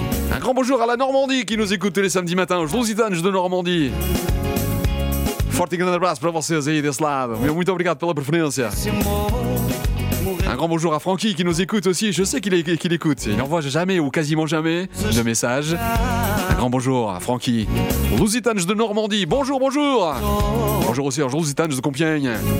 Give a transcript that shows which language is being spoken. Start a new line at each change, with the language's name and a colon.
French: Un grand bonjour à la Normandie qui nous écoute tous les samedis matins, aux Lusitanos de Normandie.
Portuguese: Forte e grande abraço para vocês aí desse lado. Muito obrigado pela preferência.
French: Un grand bonjour à Francky qui nous écoute aussi. Je sais qu'il écoute. Il n'envoie jamais ou quasiment jamais de message. Un grand bonjour à Francky. Lusitanos de Normandie. Bonjour, bonjour. Bonjour aussi aux Lusitanos de Compiègne.